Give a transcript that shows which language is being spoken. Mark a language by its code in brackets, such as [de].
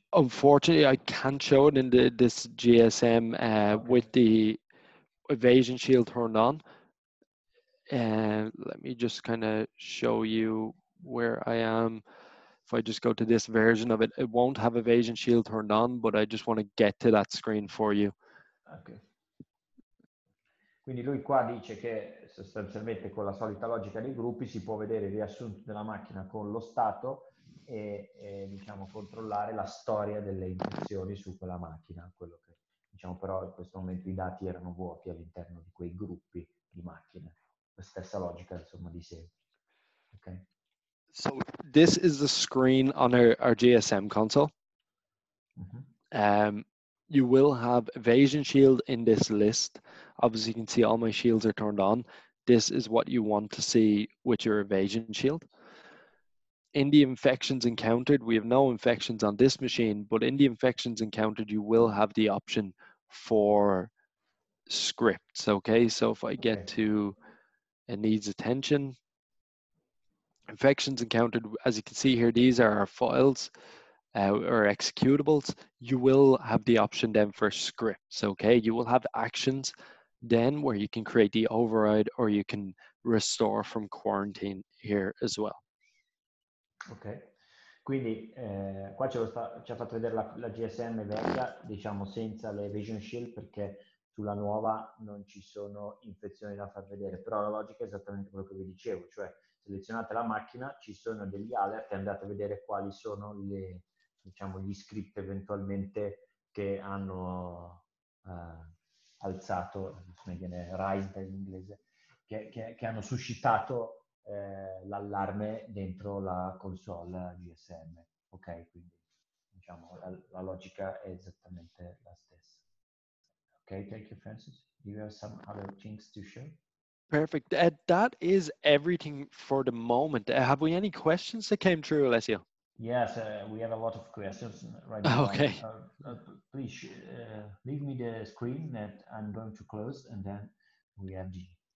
[en] Unfortunately, I can't show it in this GSM with the Evasion Shield turned on. Let me just kind of show you where I am. If I just go to this version of it, it won't have Evasion Shield turned on, but I just want to get to that screen for you. Okay. [it] Quindi lui qua dice che sostanzialmente con la solita logica dei gruppi si può vedere il riassunto della macchina con lo stato e diciamo controllare la storia delle infezioni su quella macchina, quello che diciamo però in questo momento i dati erano vuoti all'interno di quei gruppi di macchine. La stessa logica, insomma, di sé. Okay. [en] So this is the screen on our GSM console. You will have Evasion Shield in this list. Obviously, you can see all my shields are turned on. This is what you want to see with your Evasion Shield. In the infections encountered, we have no infections on this machine, but in the infections encountered, you will have the option for scripts, okay? So if I get to it needs attention. Infections encountered, as you can see here, these are our files. Or executables, you will have the option then for scripts, okay? You will have actions then where you can create the override or you can restore from quarantine here as well. [it] Okay, quindi qua ci ha fatto vedere la GSM vecchia, diciamo senza le Vision Shield, perché sulla nuova non ci sono infezioni da far vedere, però la logica è esattamente quello che vi dicevo, cioè selezionate la macchina, ci sono degli alert e andate a vedere quali sono le diciamo gli script eventualmente che hanno alzato, come viene ride in inglese, che hanno suscitato l'allarme dentro la console GSM. Ok, quindi diciamo la logica è esattamente la stessa. [en] Ok, thank you, Francis. Do you have some other things to share? Perfect. That is everything for the moment. Have we any questions that came through, Alessio? Yes, we have a lot of questions right now. Okay. Please leave me the screen that I'm going to close, and then we have the